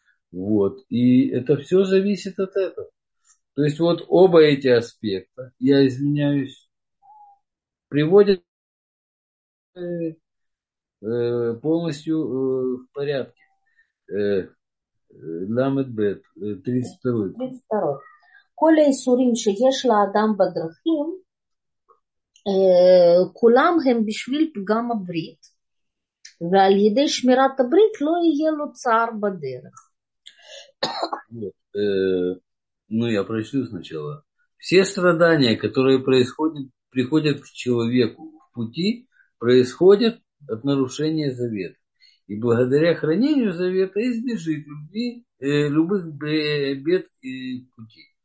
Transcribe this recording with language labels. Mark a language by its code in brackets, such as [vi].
[ru] Вот, и это все зависит от этого. То есть вот оба эти аспекта, я извиняюсь, приводят полностью в порядке. Ламед бет, 32. 32. [he] Колей сурим шеешла адам бадрахим, כולם הם בשביל פגם הברית, ועל ידי שמירת הברית לא יהיה לו צער בדרך. [ru] Ну, я прочту сначала. Все страдания, которые происходят, приходят к человеку в пути, происходят от нарушения завета. И благодаря хранению завета избежит любви, любых бед и пути.